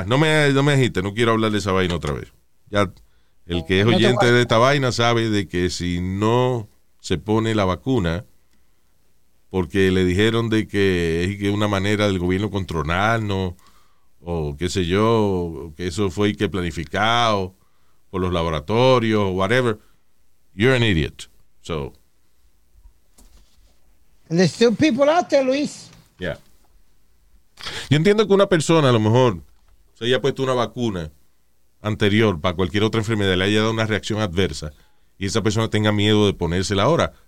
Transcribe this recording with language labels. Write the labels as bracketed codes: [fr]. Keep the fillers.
[es] ya, no me, no me agite, no quiero hablar de esa vaina otra vez. Ya, El que es oyente de esta vaina sabe de que si no se pone la vacuna, porque le dijeron de que es que una manera del gobierno controlarnos, o qué sé yo, o que eso fue que planificado por los laboratorios, o whatever, [en] you're an idiot. So, And there's still people out there, Luis. yeah. [es] Yo entiendo que una persona a lo mejor se haya puesto una vacuna anterior para cualquier otra enfermedad, le haya dado una reacción adversa y esa persona tenga miedo de ponérsela ahora.